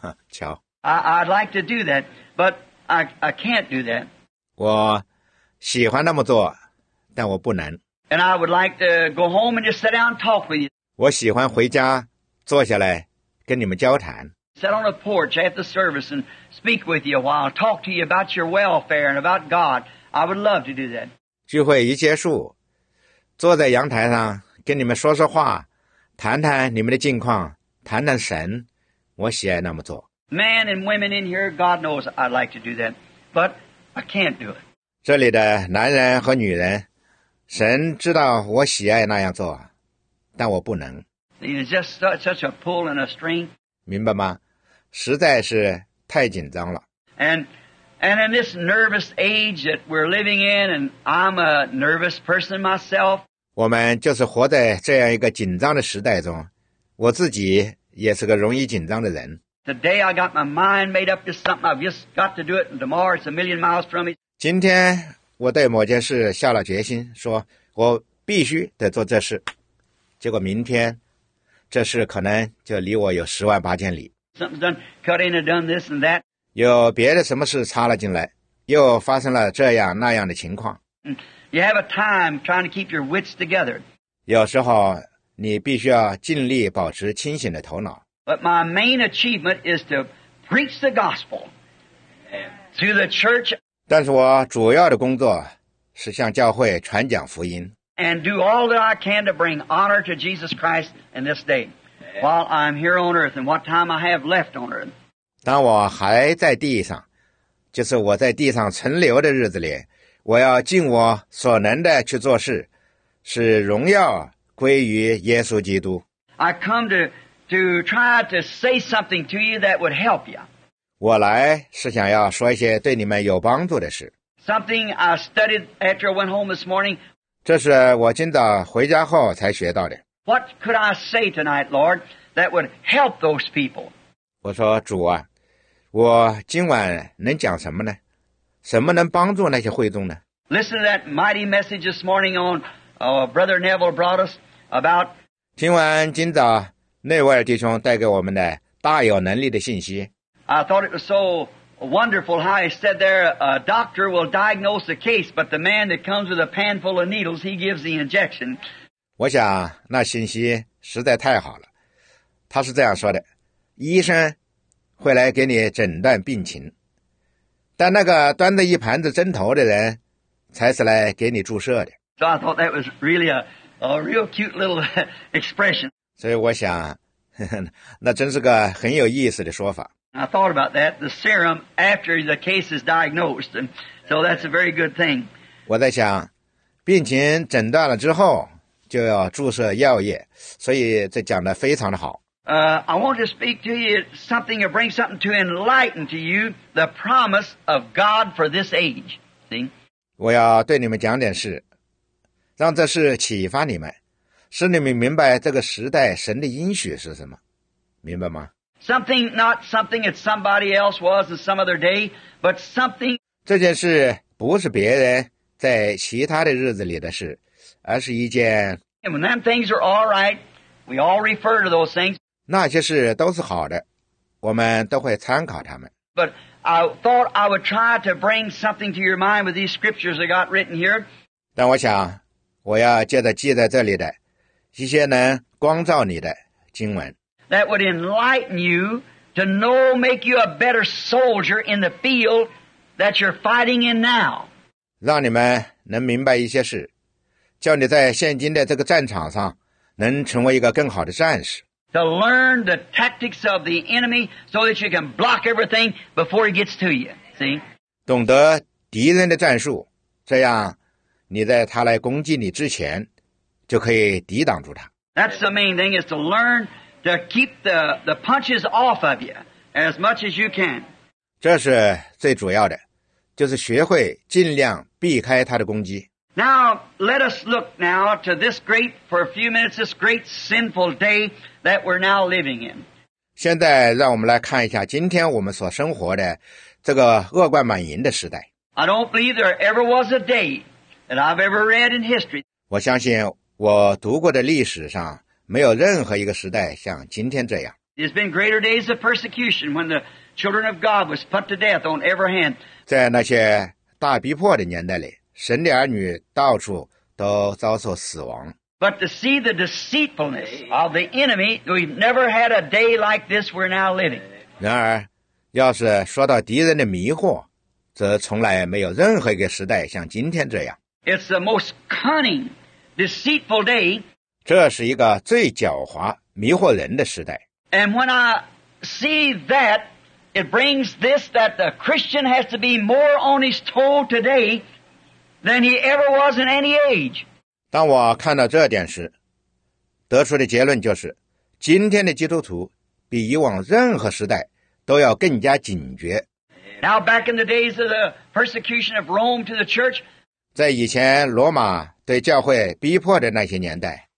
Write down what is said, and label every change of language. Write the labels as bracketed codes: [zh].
[zh] 瞧。 [en] I'd like to do that, but I can't do that. [zh] 我喜欢那么做，但我不能。 [en] And I would like to go home and just sit down and talk with you. [zh] 我喜欢回家坐下来跟你们交谈。 [en] Sit on the porch at the service and speak with you a while, talk to you about your welfare and about God. I would love to do that. [zh] 聚会一结束，坐在阳台上跟你们说说话，谈谈你们的近况，谈谈神，我喜爱那么做。 [en] Men and women in here, God knows I'd like to do that, but. I can't do it. [zh] 这里的男人和女人，神知道我喜爱那样做，但我不能。 [en] It's just such a pull and a strain. [zh] 明白吗？实在是太紧张了。 [en] And in this nervous age that we're living in, and I'm a nervous person myself. [zh] 我们就是活在这样一个紧张的时代中，我自己也是个容易紧张的人。 [en] Today I got my mind made up to something. I've just got to do it, and tomorrow it's a million miles from me. [zh] 今天我对某件事下了决心，说我必须得做这事。结果明天这事可能就离我有十万八千里。 [en] Something's done, cut in and done this and that. [zh] 有别的什么事插了进来，又发生了这样那样的情况。 [en] You have a time trying to keep your wits together. [zh] 有时候你必须要尽力保持清醒的头脑。 [en] But my main achievement is to preach the gospel to the church. [zh] 但是我主要的工作是向教会传讲福音。 [en] And do all that I can to bring honor to Jesus Christ in this day while I'm here on earth and what time I have left on earth. [zh] 当我还在地上，就是我在地上存留的日子里，我要尽我所能的去做事，使荣耀归于耶稣基督。 [en] I come to try to say something to you that would help you. [zh] 我来是想要说一些对你们有帮助的事。 [en] Something I studied after I went home this morning. [zh] 这是我今早回家后才学到的。 [en] What could I say tonight, Lord, that would help those people. [zh] 我说主啊，我今晚能讲什么呢？什么能帮助那些会众呢？ [en] Listen to that mighty message this morning on Brother Neville brought us about. [zh] 听完今早内外弟兄带给我们的大有能力的信息。 [en] I thought it was so wonderful how he said there, a doctor will diagnose the case, but the man that comes with a pan full of needles, he gives the injection. [zh] 我想那信息实在太好了。他是这样说的，医生会来给你诊断病情，但那个端着一盘子针头的人才是来给你注射的。 [en] So I thought that was really a real cute little expression. [zh] 所以我想那真是个很有意思的说法。 [en] I thought about that, the serum after the case is diagnosed, and so that's a very good thing. [zh] 我在想，病情诊断了之后就要注射药液，所以这讲得非常的好。 [en] I want to speak to you something to bring something to enlighten to you, the promise of God for this age. See? [zh] 我要对你们讲点事，让这事启发你们，使你们明白这个时代神的应许是什么，明白吗？ [en] Something not something that somebody else was in some other day, but something. [zh] 这件事不是别人在其他的日子里的事，而是一件。 [en] And when them things are all right, we all refer to those things. [zh] 那些事都是好的，我们都会参考他们。 [en] But I thought I would try to bring something to your mind with these scriptures I got written here. [zh] 但我想，我要借着记在这里的。一些能光照你的经文 [en] that would enlighten you to know, make you a better soldier in the field that you're fighting in now. [zh] 让你们能明白一些事，叫你在现今的这个战场上能成为一个更好的战士。 [en] To learn the tactics of the enemy so that you can block everything before he gets to you. See? [zh] 懂得敌人的战术，这样你在他来攻击你之前就可以抵挡住他。 [en] That's the main thing, is to learn to keep the punches off of you as much as you can. [zh] 这是最主要的，就是学会尽量避开他的攻击。 [en] Now, let us look now to this great, for a few minutes, this great sinful day that we're now living in. [zh] 现在让我们来看一下今天我们所生活的这个恶贯满盈的时代。 [en] I don't believe there ever was a day that I've ever read in history. [zh] 我相信我读过的历史上没有任何一个时代像今天这样。 [en] There's been greater days of persecution when the children of God was put to death on every hand. [zh] 在那些大逼迫的年代里，神的儿女到处都遭受死亡。 [en] But to see the deceitfulness of the enemy, we've never had a day like this we're now living. [zh] 然而，要是说到敌人的迷惑，则从来没有任何一个时代像今天这样。 [en] It's the most cunning. Deceitful day. [zh] 这是一个最狡猾迷惑人的时代。 [en] And when I see that, it brings this, that the Christian has to be more on his toe today than he ever was in any age. [zh] 当我看到这点时，得出的结论就是，今天的基督徒比以往任何时代都要更加警觉。 [en] Now back in the days of the persecution of Rome to the church, [zh] 在以前罗马对教会逼迫的那些年代，